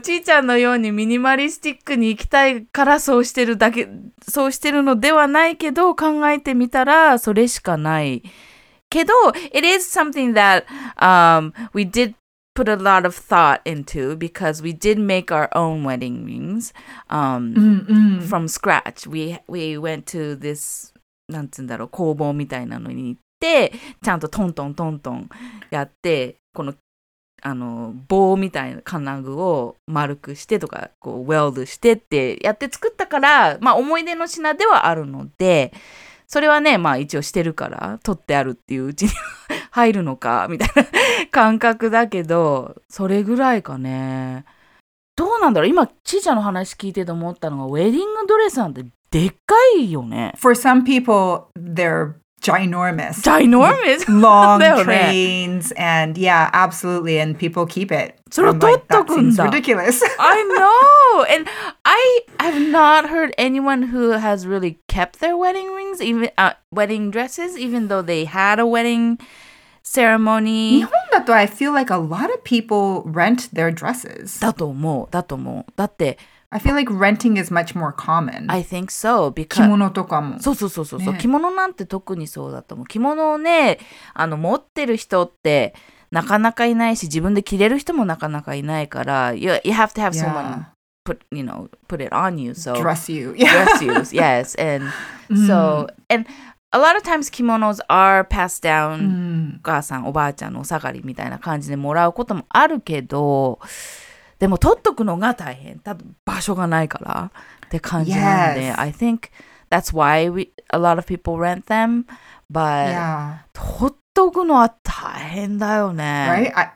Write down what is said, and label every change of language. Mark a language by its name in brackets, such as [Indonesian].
[Japanese] ちーちゃんのようにミニマリスティックに行きたいからそうしてるだけ、そうしてるのではないけど、考えてみたらそれしかない。けど、 [English] it is something that, we did put a lot of thought into because we did make our own wedding rings, from scratch. We went to this... [Japanese] なんつうんだろう、工房みたいなのに行って、ちゃんとトントントントンやって、この、棒みたいな金具を丸くしてとか、こう、ウェルドしてってやって作ったから、まあ、思い出の品ではあるので、それはね、まあ、一応してるから、取ってあるっていううちに入るのか、みたいな感覚だけど、それぐらいかね。どうなんだろう、今、ちーちゃんの話聞いてて思ったのが、ウェディングドレスなんて、でっかいよね。 [English] For some people, they're ginormous. Ginormous? Long trains, and yeah, absolutely, and people keep it. [Japanese] それを取っとくんだ。 [English] That seems ridiculous. I know! And I have not heard anyone who has really kept their wedding rings, even, wedding dresses, even though they had a wedding ceremony. [Japanese] 日本だと [English] I feel like a lot of people rent their dresses. [Japanese] だと思う。だって、 [English] I feel like renting is much more common. I think so. Because [Japanese] 着物とかも。そう、ね。着物なんて特にそうだと思う。着物をね、持ってる人ってなかなかいないし、自分で着れる人もなかなかいないから、 [English] you have to have someone put it on you. So, dress you. Dress you, yes. And so, and a lot of times kimonos are passed down, [Japanese] お母さん、おばあちゃんのお下がりみたいな感じでもらうこともあるけど、でも取っとくのが大変。ただ場所がないからって感じなんで、 [English] yes. I think that's why a lot of people rent them. But、 yeah. [Japanese] 取っとくのは大変だよね。